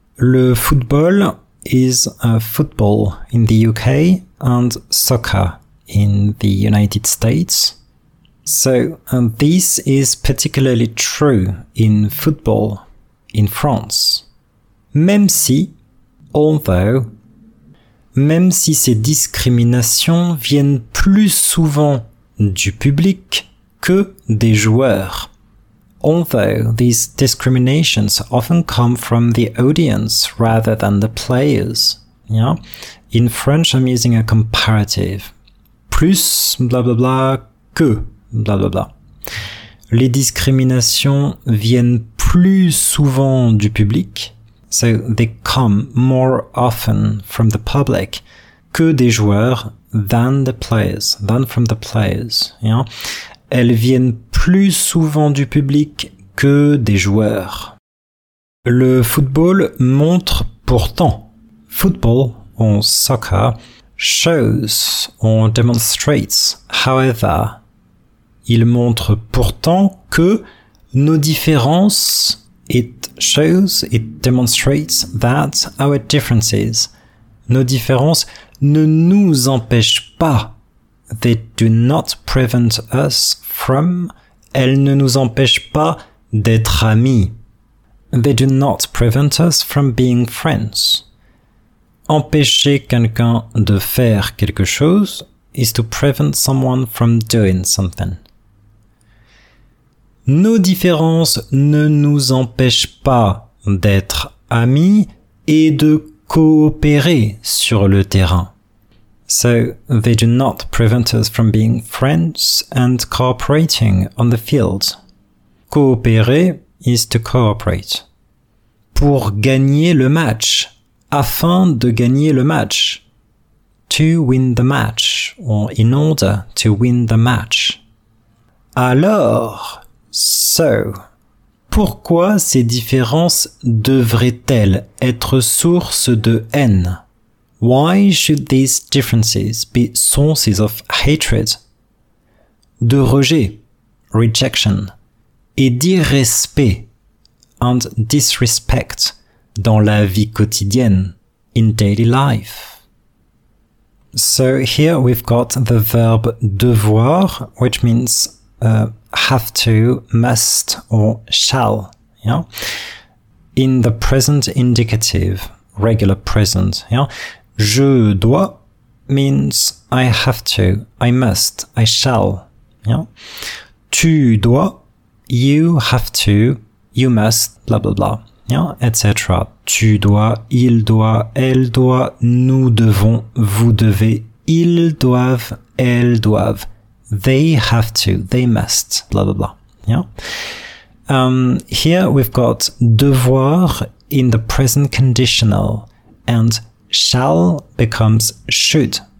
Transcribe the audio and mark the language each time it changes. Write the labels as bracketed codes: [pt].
[fr] Le football [en] is football in the UK and soccer in the United States. So, this is particularly true in football in France. [fr] Même si, [en] although, [fr] même si ces discriminations viennent plus souvent du public que des joueurs. [en] Although these discriminations often come from the audience rather than the players. Yeah? In French, I'm using a comparative. Plus, blah, blah, blah, que, blah, blah, blah. [fr] Les discriminations viennent plus souvent du public. [en] So they come more often from the public [fr] que des joueurs [en] than the players, than from the players. Yeah? [fr] Elles viennent plus souvent du public que des joueurs. Le football montre pourtant. [en] Football, or soccer, shows, or demonstrates, however. [fr] Il montre pourtant que nos différences, [en] it shows, it demonstrates that our differences, [fr] nos différences ne nous empêchent pas. [en] They do not prevent us from, [fr] elles ne nous empêchent pas d'être amis. [en] They do not prevent us from being friends. [fr] Empêcher quelqu'un de faire quelque chose [en] is to prevent someone from doing something. [fr] Nos différences ne nous empêchent pas d'être amis et de coopérer sur le terrain. [en] So, they do not prevent us from being friends and cooperating on the field. [fr] Coopérer [en] is to cooperate. [fr] Pour gagner le match. Afin de gagner le match. [en] To win the match, or in order to win the match. [fr] Alors, [en] so, [fr] pourquoi ces différences devraient-elles être source de haine? [en] Why should these differences be sources of hatred? [fr] De rejet, [en] rejection, [fr] et d'irrespect, [en] and disrespect, [fr] dans la vie quotidienne, [en] in daily life. So here we've got the verb devoir, which means have to, must, or shall, yeah? In the present indicative, regular present, yeah? [fr] Je dois [en] means I have to, I must, I shall, yeah? [fr] Tu dois, [en] you have to, you must, blah, blah, blah, yeah? Etc. [fr] Tu dois, il doit, elle doit, nous devons, vous devez, ils doivent, elles doivent. [en] They have to, they must, blah, blah, blah. Yeah. Here we've got devoir in the present conditional and shall becomes should.